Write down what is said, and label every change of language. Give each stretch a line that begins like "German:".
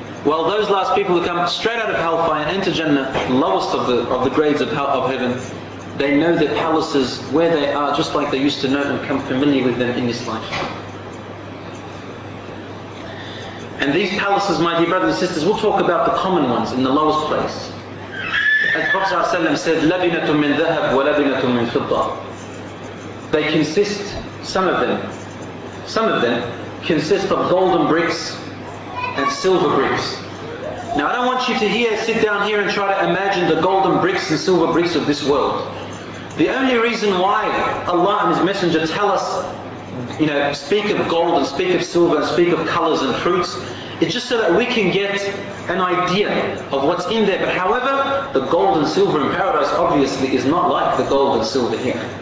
English: Well, those last people who come straight out of hellfire and enter Jannah, lowest of the grades of heaven, they know their palaces, where they are, just like they used to know and become familiar with them in this life. And these palaces, my dear brothers and sisters, we'll talk about the common ones in the lowest place. As Prophet ﷺ said,
Arabic: لَبِنَةٌ مِّن ذَهَبٌ وَلَبِنَةٌ مِّن فِضَّةٌ.
English: They consist, some of them consist of golden bricks and silver bricks. Now I don't want you to sit down here and try to imagine the golden bricks and silver bricks of this world. The only reason why Allah and His Messenger tell us, you know, speak of gold and speak of silver and speak of colors and fruits, it's just so that we can get an idea of what's in there. But however, the gold and silver in paradise obviously is not like the gold and silver here.